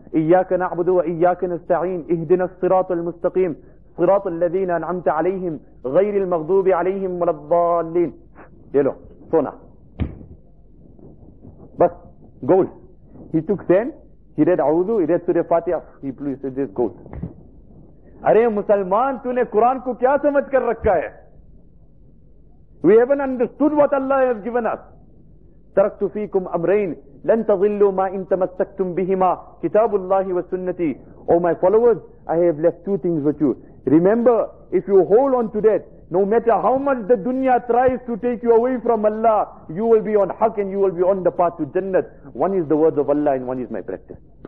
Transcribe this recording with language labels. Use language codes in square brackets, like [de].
[ar] إياك نعبد وإياك نستعين اهدنا الصراط المستقيم صراط الذين أنعمت عليهم غير المغضوب عليهم ولا الضالين. يلو صنع بس goal. [en] He took 10, he read عوذو, he read سورة فاتحة, he blew, he said this goal. [ur] أرے مسلمان, تُو نے قرآن کو کیا سمجھ کر رکھا ہے؟ [en] We haven't understood what Allah has given us. [ar] تركت فيكم أمرين لن تضلوا ما إن تمسكتم بهما كتاب الله وسنتي. [en] Oh my followers, I have left two things with you. Remember, if you hold on to that, no matter how much the dunya tries to take you away from Allah, you will be on haq and you will be on the path to Jannah. One is the words of Allah and one is my practice.